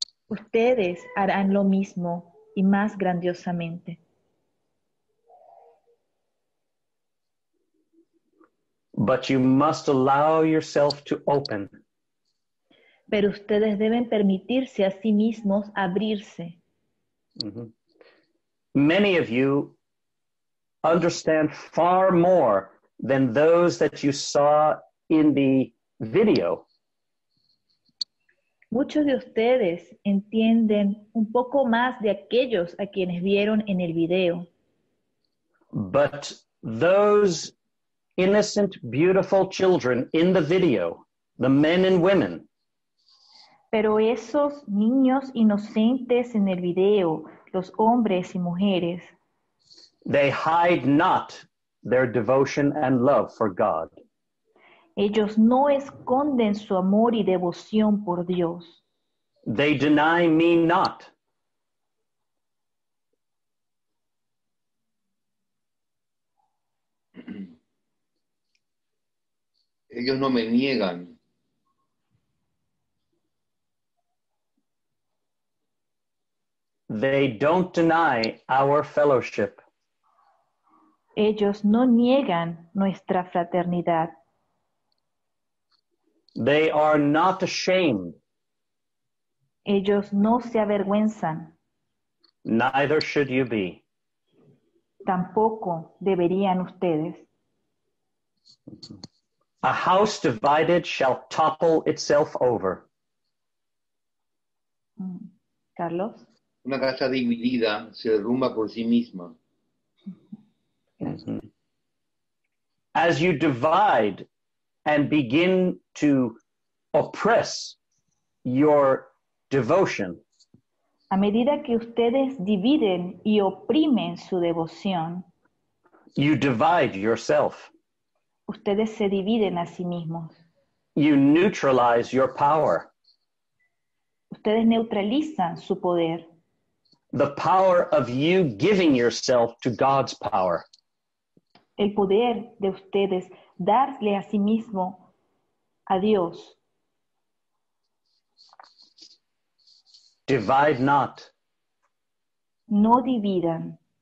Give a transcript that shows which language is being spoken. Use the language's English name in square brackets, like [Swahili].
[Spanish] Ustedes harán lo mismo y más grandiosamente. [English] But you must allow yourself to open. [Spanish] Pero ustedes deben permitirse a sí mismos abrirse. Mm-hmm. [English] Many of you understand far more than those that you saw in the video. [Spanish] Muchos de ustedes entienden un poco más de aquellos a quienes vieron en el video. [English] But those innocent, beautiful children in the video, the men and women. [Spanish] Pero esos niños inocentes en el video, los hombres y mujeres. [English] They hide not their devotion and love for God. [Spanish] Ellos no esconden su amor y devoción por Dios. [English] They deny me not. [Spanish] Ellos no me niegan. [English] They don't deny our fellowship. [Spanish] Ellos no niegan nuestra fraternidad. [English] They are not ashamed. [Spanish] Ellos no se avergüenzan. [English] Neither should you be. [Spanish] Tampoco deberían ustedes. [English] A house divided shall topple itself over. Carlos. [Spanish] Una casa dividida se derrumba por sí misma. Mm-hmm. [English] As you divide and begin to oppress your devotion. [Spanish] A medida que ustedes dividen y oprimen su devoción, [English] you divide yourself. [Spanish] Ustedes se dividen a sí mismos. [English] You neutralize your power. [Spanish] Ustedes neutralizan su poder. [English] The power of you giving yourself to God's power. [Spanish] El poder de ustedes darle a sí mismo a Dios. [English] Divide not. [Spanish] No dividan.